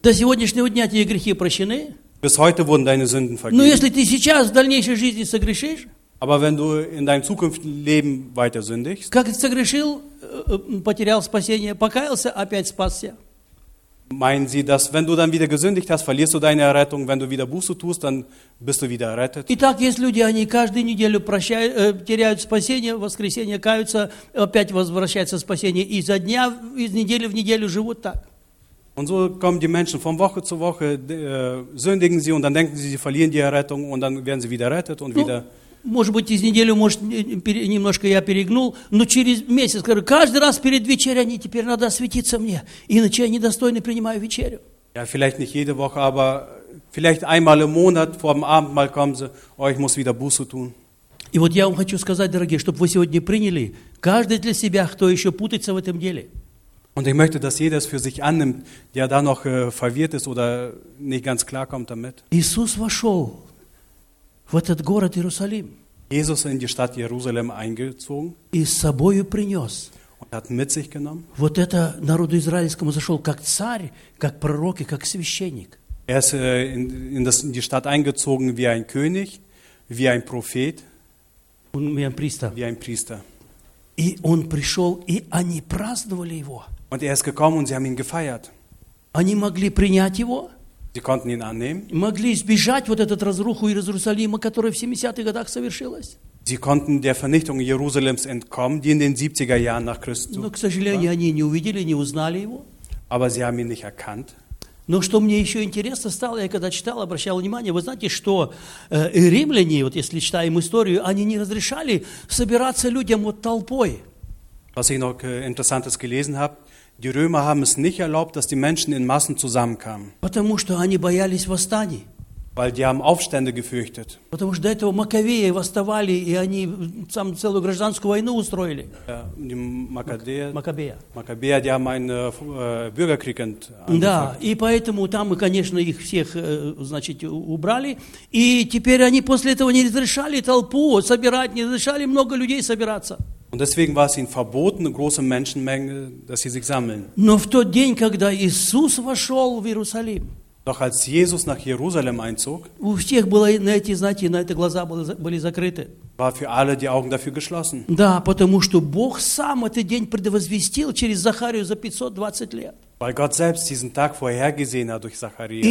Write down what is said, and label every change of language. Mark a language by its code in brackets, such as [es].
[ru] До сегодняшнего дня твои грехи прощены. [de] Bis heute wurden deine Sünden vergeben. [ru] Но если ты сейчас в дальнейшей жизни согрешишь, [de] aber wenn du in deinem zukünftigen Leben weiter sündigst, [ru] как согрешил, потерял спасение, покаялся, опять спасся. [de] Meinen Sie, dass wenn du dann wieder gesündigt hast, verlierst du deine Errettung, wenn du wieder Buße tust, dann bist du wieder errettet? [ru] Итак, есть люди, они каждую неделю теряют спасение, в воскресенье каются, опять возвращается спасение, и за дня, из недели в неделю живут так. [de] Und so kommen die Menschen von Woche zu Woche, sündigen sie, und dann denken sie, sie verlieren die Errettung, und dann werden sie wieder errettet und wieder... [ru] Может быть, из недели, может, немножко я перегнул, но через месяц, скажу, каждый раз перед вечерей они теперь надо осветиться мне, иначе я недостойно принимаю вечерю. [de] Ja, vielleicht nicht jede Woche, aber vielleicht einmal im Monat vor dem Abendmahl kommen sie, oh, ich muss wieder Buße tun. [ru] И вот я вам хочу сказать, дорогие, чтобы вы сегодня приняли, каждый для себя, кто еще путается в этом деле. [de] Und ich möchte, dass jeder es für sich annimmt, der da noch verwirrt ist oder nicht ganz klarkommt damit. [ru] Иисус вошел. В этот город Иерусалим. [de] Jesus in die Stadt Jerusalem eingezogen. [ru] И с собою принес. [de] Und hat mit sich genommen. [ru] Вот это народу израильскому зашел как царь, как пророк и как священник. [de] Er ist in die Stadt eingezogen wie ein König, wie ein Prophet. Und wie ein Priester. Wie ein Priester. [ru] И он пришел, и они праздновали его. [de] Und er ist gekommen und sie haben ihn gefeiert. [ru] Они могли принять его. [de] Sie konnten ihn annehmen. [ru] Могли избежать вот этот разруху Иерусалима, которая в 70-х годах совершилась. [de] Sie konnten der Vernichtung Jerusalems entkommen, die in den 70er Jahren nach Christus. [ru] Но, к сожалению, они не увидели, не узнали его. [de] Aber sie haben ihn nicht erkannt. [ru] Но что мне еще интересно стало, я когда читал, обращал внимание, вы знаете, что римляне, вот если читаем историю, они не разрешали собираться людям вот толпой. [de] Was ich noch Interessantes gelesen habe, die Römer haben es nicht erlaubt, dass die Menschen in Massen zusammenkamen. [ru] Потому что они боялись восстаний. [de] Weil die haben Aufstände gefürchtet. [ru] Потому что до этого Маккавеи восставали, и они сам целую гражданскую войну устроили. [de] Маккавеи, die haben einen Bürgerkrieg angefangen. [ru] Да, и поэтому там, конечно, их всех, значит, убрали. И теперь они после этого не разрешали толпу собирать, не разрешали много людей собираться. [de] Und deswegen war es ihnen verboten, große Menschenmengen, dass sie sich sammeln. [ru] Но в тот день, когда Иисус вошел в Иерусалим, [de] doch als Jesus nach Jerusalem einzog, [ru] у всех было на эти, знаете, на это глаза были закрыты. [de] War für alle die Augen dafür geschlossen. [ru] Да, потому что Бог сам этот день предвозвестил через Захарию за 520 лет. [de] Weil Gott selbst diesen Tag vorhergesehen hat durch Zacharias.